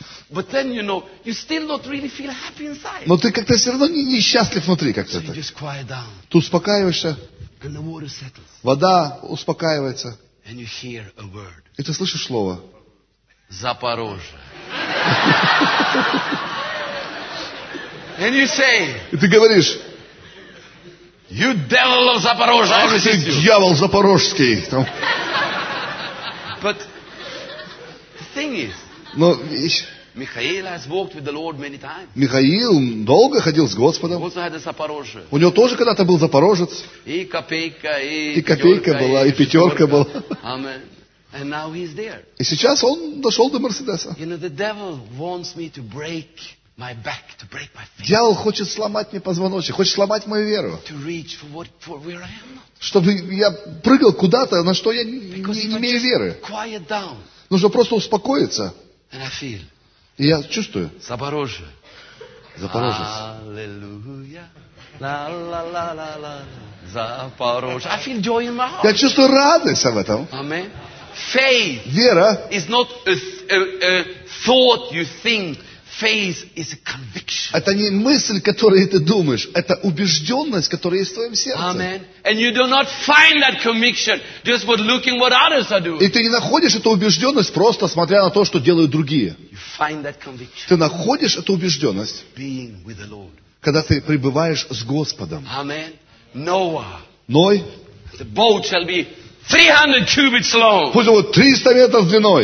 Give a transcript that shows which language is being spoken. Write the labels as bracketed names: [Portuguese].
[English] But then you know you still not really feel happy inside. [Russian] Но ты как-то все равно не счастлив внутри как-то. [English] So you just quiet down. [Russian] Ты успокаиваешься. [English] And the water settles. [Russian] Вода успокаивается. [English] And you hear a word. [Russian] И ты слышишь слово. Запорожье. [English] And you say, [Russian] и ты говоришь, [English] you devil of Zaporozhye, [Russian] ах ты, дьявол запорожский. [English] But the thing is, [Russian] но вещь, [English] Михаил has walked with the Lord many times. [Russian] Михаил долго ходил с Господом. [English] Also had a Zaporozhye. [Russian] У него тоже когда-то был запорожец. И копейка, и копейка была, и пятерка была. [English] Amen. And now he's there. [Russian] И сейчас он дошел до Мерседеса. [English] You know, the devil wants me to break my back, to break my faith. [Russian] Дьявол хочет сломать мне позвоночник, хочет сломать мою веру. [English] To reach for what, for where I am not. [Russian] Чтобы я прыгал куда-то, на что я не имею веры. [English] Quiet down. [Russian] Нужно просто успокоиться. [English] And I feel. [Russian] И я чувствую. Запорожье. Запорожец. Аллилуйя. Ла-ла-ла-ла-ла. Запорожье. [English] I feel joy in my heart. [Russian] Я чувствую радость об этом. Аминь. Faith. Вера. [English] Is not a thought you think. Faith is a conviction. [Russian] Это не мысль, которую ты думаешь, это убежденность, которая есть в твоем сердце. [English] Amen. And you do not find that conviction just by looking what others are doing. [Russian] И ты не находишь эту убежденность просто смотря на то, что делают другие. [English] You find that conviction. [Russian] Ты находишь эту убежденность, [English] being with the Lord. [Russian] Когда ты пребываешь с Господом. [English] Amen. Noah. [Russian] Ной. [English] The boat shall be 300 cubits long. [Russian] Пусть будет 300 метров длиной.